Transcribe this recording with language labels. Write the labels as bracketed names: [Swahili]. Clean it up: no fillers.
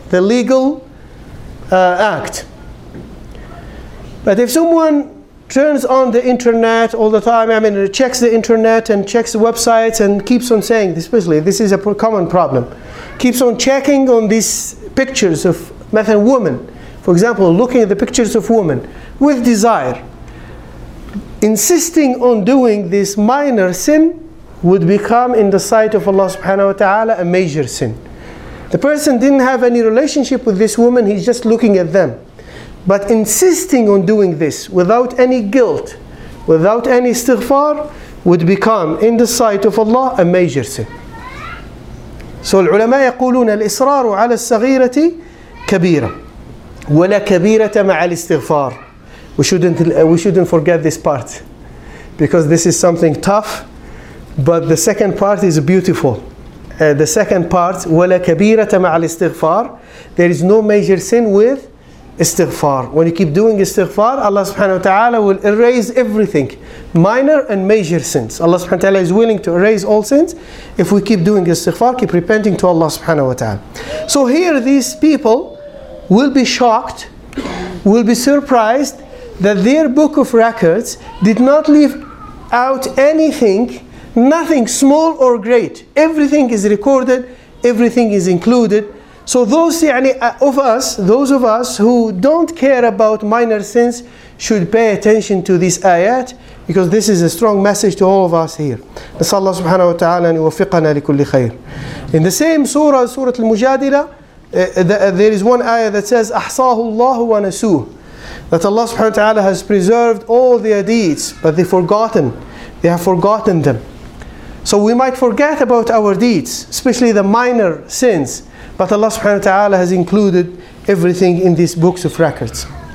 [English] The legal act. But if someone turns on the internet all the time, I mean, checks the internet and checks the websites and keeps on saying, especially this is a common problem, keeps on checking on these pictures of مثلاً, women, for example, looking at the pictures of women with desire, insisting on doing this minor sin would become in the sight of Allah subhanahu wa ta'ala a major sin. The person didn't have any relationship with this woman, he's just looking at them. But insisting on doing this without any guilt, without any istighfar, would become in the sight of Allah a major sin. So the ulama [Arabic] يقولون الإصرار على الصغيرة كبيرة ولا كبيرة مع الاستغفار. [English] We shouldn't forget this part, because this is something tough, but the second part is beautiful. The second part, [Arabic] ولا كبيرة مع الاستغفار, [English] there is no major sin with istighfar. When you keep doing istighfar, Allah subhanahu wa ta'ala will erase everything, minor and major sins. Allah subhanahu wa ta'ala is willing to erase all sins if we keep doing istighfar, keep repenting to Allah subhanahu wa ta'ala. So here these people will be shocked, will be surprised that their book of records did not leave out anything, nothing small or great. Everything is recorded, everything is included. So those of us who don't care about minor sins should pay attention to this ayat, because this is a strong message to all of us here. [Arabic] نسأل الله سبحانه وتعالى أن يوفقنا لكل خير. [English] In the same surah, Surah Al-Mujadila, there is one ayah that says, [Arabic] أحصاه الله ونسوه, [English] that Allah سبحانه وتعالى has preserved all their deeds, but they have forgotten them. So we might forget about our deeds, especially the minor sins, but Allah subhanahu wa ta'ala has included everything in these books of records.